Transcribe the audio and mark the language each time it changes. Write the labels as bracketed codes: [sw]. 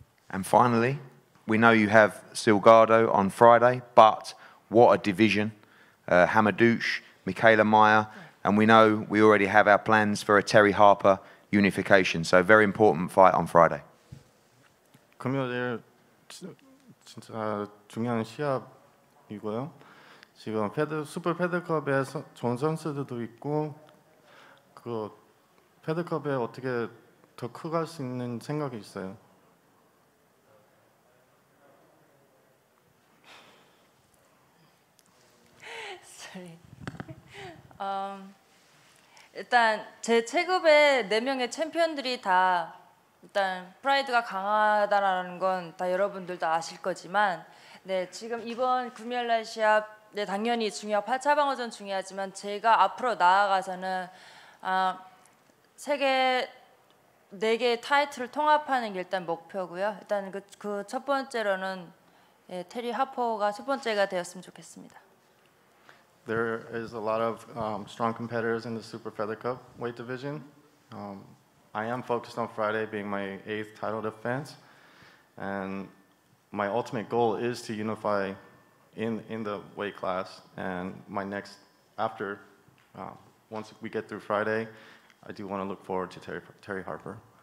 [en] And finally, we know you have Silgado on Friday, but what a division. Hamadouche, Michaela Meyer, and we know we already have our plans for a Terry Harper unification. So very important fight on Friday. [ko] 금요일 진짜 중요한 시합이고요. 지금 슈퍼 패드컵에 좋은 선수들도 있고 그 패드컵에 어떻게 더 커갈 수 있는 생각이 있어요. [en] Sorry. [ko] 일단 제 체급에 네 명의 챔피언들이 다 일단 프라이드가 강하다라는 건 다 여러분들도 아실 거지만 네 지금 이번 금요일날 시합 네 당연히 중요하고 8차 방어전 중요하지만 제가 앞으로 나아가서는 세계 네 개의 타이틀을 통합하는 게 일단 목표고요. 일단 그 첫 번째로는 예, 테리 하퍼가 첫 번째가 되었으면 좋겠습니다. [en] There is a lot of strong competitors in the Super Feather Cup weight division. I am focused on Friday being my eighth title defense. And my ultimate goal is to unify in the weight class. And my next, after, once we get through Friday, I do want to look forward to Terry Harper.